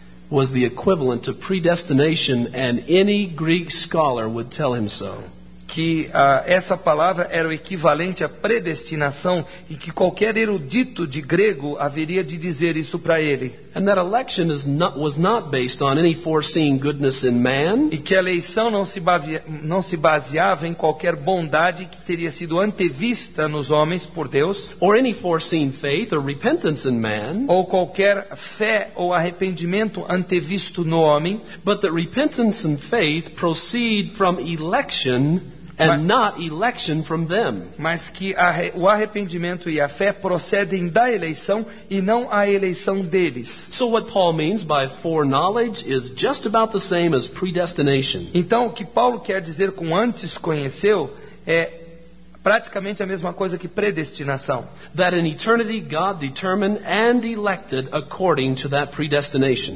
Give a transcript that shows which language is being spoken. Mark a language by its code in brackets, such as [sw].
[en] was the equivalent to predestination, and any Greek scholar would tell him so. [pt] Que essa palavra era o equivalente à predestinação e que qualquer erudito de grego haveria de dizer isso para ele. [en] And that election is not, was not based on any foreseen goodness in man. [pt] E que a eleição não se baseava em qualquer bondade que teria sido antevista nos homens por Deus. [en] Or any foreseen faith or repentance in man. [pt] Ou qualquer fé ou arrependimento antevisto no homem. [en] But that repentance and faith proceed from election. And not election from them. [pt] Mas que o arrependimento e a fé procedem da eleição e não a eleição deles. [en] So what Paul means by foreknowledge is just about the same as predestination. [pt] Então o que Paulo quer dizer com antes conheceu é praticamente a mesma coisa que predestinação. [en] That in eternity God determined and elected according to that predestination.